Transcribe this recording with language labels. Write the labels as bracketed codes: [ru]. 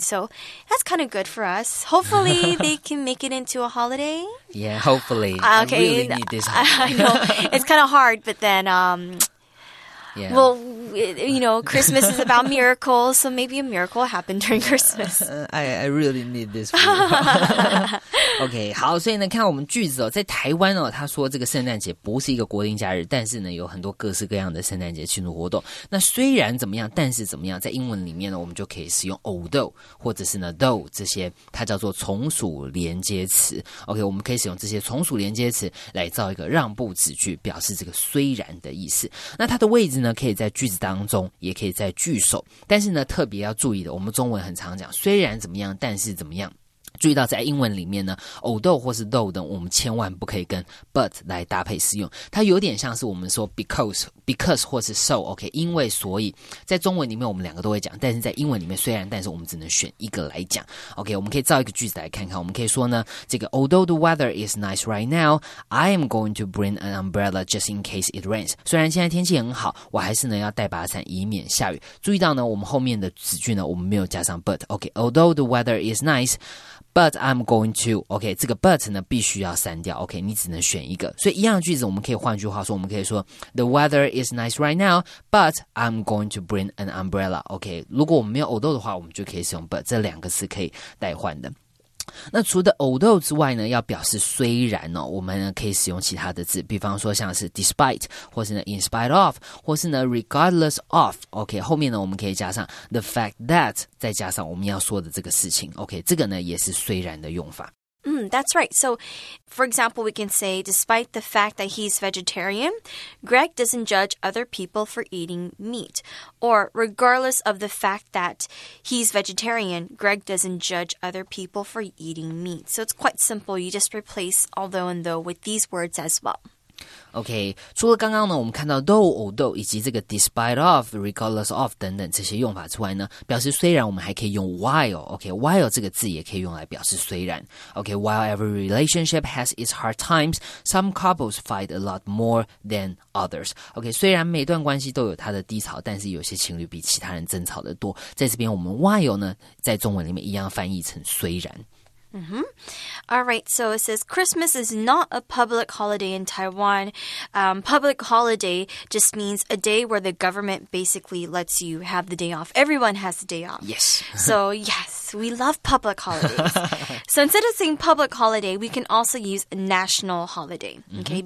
[en] So that's kind of good for us. Hopefully they can make it into a holiday. Yeah, hopefully. Okay. I really need this holiday. I know. It's kind of hard, but then...、 Yeah. Well, you know, Christmas is about miracles, so maybe a miracle happened during Christmas. I really need this for you. [zh] OK, 好，所以呢，看我们句子哦，在台湾哦，他说这个圣诞节不是一个国定假日，但是呢，有很多各式各样的圣诞节庆祝活动。那虽然怎么样，但是怎么样，在英文里面呢，我们就可以使用 although 或者是呢 though 这些，它叫做从属连接词。 OK, 我们可以使用这些从属连接词来造一个让步子句，表示这个虽然的意思。那它的位置呢，可以在句子当中，也可以在句首，但是呢，特别要注意的，我们中文很常讲，虽然怎么样，但是怎么样。注意到在英文里面呢 although 或是 though 等，我们千万不可以跟 but 来搭配使用，它有点像是我们说 because 或是 so OK 因为所以，在中文里面我们两个都会讲，但是在英文里面虽然但是我们只能选一个来讲。 OK, 我们可以造一个句子来看看，我们可以说呢，这个 [en] although the weather is nice right now, I am going to bring an umbrella just in case it rains. [zh] 虽然现在天气很好，我还是呢要带把伞以免下雨。注意到呢，我们后面的子句呢，我们没有加上 but OK, [en] although the weather is niceBut I'm going to, [zh] OK, 这个 but 呢必须要删掉， OK, 你只能选一个。所以一样的句子我们可以换句话说，我们可以说 [en] The weather is nice right now, but I'm going to bring an umbrella, [zh] OK, 如果我们没有 although 的话，我们就可以使用 but, 这两个词可以代换的。那除了 although 之外呢，要表示虽然哦，我们呢可以使用其他的字，比方说像是 despite, 或是呢 in spite of, 或是呢 regardless of, OK, 后面呢我们可以加上 the fact that, 再加上我们要说的这个事情， OK, 这个呢也是虽然的用法。 [en] That's right. So, for example, we can say, despite the fact that he's vegetarian, Greg doesn't judge other people for eating meat. Or, regardless of the fact that he's vegetarian, Greg doesn't judge other people for eating meat. So, it's quite simple. You just replace although and though with these words as well. [zh] OK, 除了刚刚呢，我们看到 though, although, 以及这个 despite of, regardless of 等等这些用法之外呢，表示虽然我们还可以用 while, OK, while 这个字也可以用来表示虽然。 [en] OK, while every relationship has its hard times, some couples fight a lot more than others. [zh] OK, 虽然每段关系都有它的低潮，但是有些情侣比其他人争吵得多。在这边我们 while 呢，在中文里面一样翻译成虽然。 Mm-hmm. [en] All right, so it says Christmas is not a public holiday in Taiwan. Public holiday just means a day where the government basically lets you have the day off. Everyone has the day off. Yes. So, yes, we love public holidays. So instead of saying public holiday, we can also use national holiday, okay? Mm-hmm.